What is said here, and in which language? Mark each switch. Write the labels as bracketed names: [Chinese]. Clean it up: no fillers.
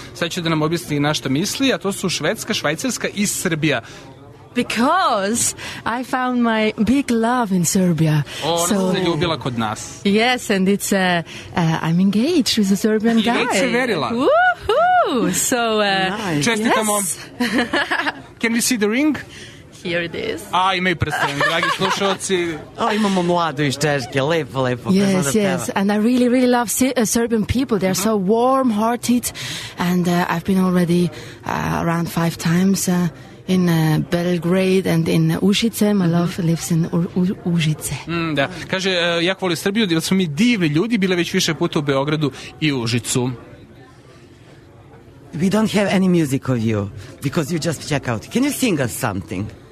[Serbian] Sad će da nam objasni na šta misli, a to su Švedska, Švajcarska i Srbija. [English] Because I found my big love in Serbia. Oh, so, [Serbian] ona se ljubila kod nas. [English] Yes, and it's I'm engaged with a Serbian I guy. [Serbian] I se verila. [English] Woohoo! So, nice. [Serbian] Čestitamo. [English] Yes. Can we see the ring? Here it is. [Serbian] A, imaju prsten, dragi slušalci. A, imamo mladu iz Češke, lepo, lepo. [English] Yes, yes, and I really, really love Serbian people. They're so warm-hearted, and I've been already around 5 times... in Belgrade and in Užice. My love lives in Užice. [Serbian] Da. Kaže, jako volim Srbiju, da smo mi divni ljudi, bile već više puta u Beogradu i Užicu. [English] We don't have any music of you, because you just check out. Can you sing us something?